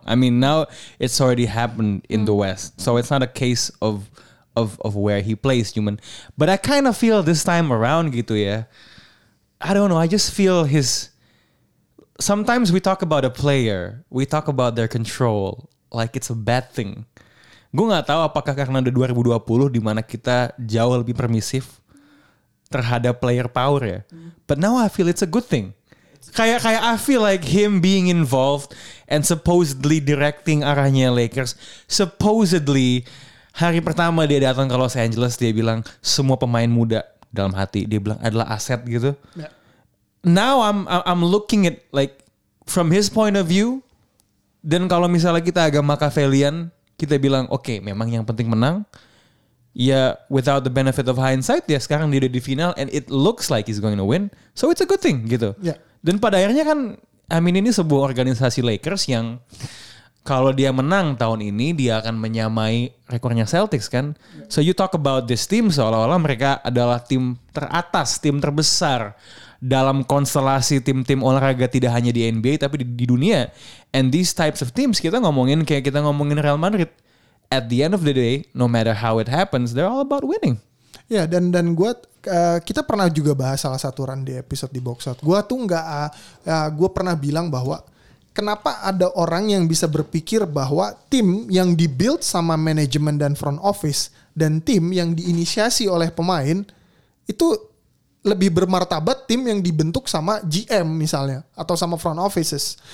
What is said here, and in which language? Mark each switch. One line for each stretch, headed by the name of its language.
English: I mean, now it's already happened in the West. So it's not a case of where he plays, human. But I kind of feel this time around
Indonesian: gitu ya.
English: I don't know. I just feel his... Sometimes we talk about a player. We talk about their control. Like it's a bad thing.
Indonesian: Gue gak tahu apakah karena ada 2020 di mana kita jauh lebih permisif terhadap player power ya.
English: But now I feel it's a good thing.
Indonesian: Kayak
English: I feel like him being involved and supposedly directing
Indonesian: arahnya
English: Lakers. Supposedly
Indonesian: hari pertama dia datang ke Los Angeles, dia bilang semua pemain muda dalam hati. Dia bilang adalah aset gitu.
English: Now I'm looking at like from his point of view.
Indonesian: Dan kalau misalnya kita agak Machiavellian, kita bilang, oke, memang yang penting menang.
English: Ya, without the benefit of hindsight,
Indonesian: ya sekarang dia udah di final
English: and it looks like he's going to win. So it's a good thing,
Indonesian: gitu.
English: Yeah.
Indonesian: Dan pada akhirnya kan,
English: I mean,
Indonesian: ini sebuah organisasi Lakers yang kalau dia menang tahun ini, dia akan menyamai rekornya Celtics, kan?
English: So you talk about this team
Indonesian: seolah-olah mereka adalah tim teratas, tim terbesar dalam konstelasi tim-tim olahraga tidak hanya di NBA tapi di dunia.
English: And these types of teams,
Indonesian: kita ngomongin kayak kita ngomongin Real Madrid.
English: At the end of the day, no matter how it happens, they're all about winning.
Indonesian: Ya, yeah, dan gue, kita pernah juga bahas salah satu run di episode di Box Out. Gue tuh nggak, gue pernah bilang bahwa kenapa ada orang yang bisa berpikir bahwa tim yang dibuild sama manajemen dan front office dan tim yang diinisiasi oleh pemain itu lebih bermartabat tim yang dibentuk sama GM misalnya atau sama front offices.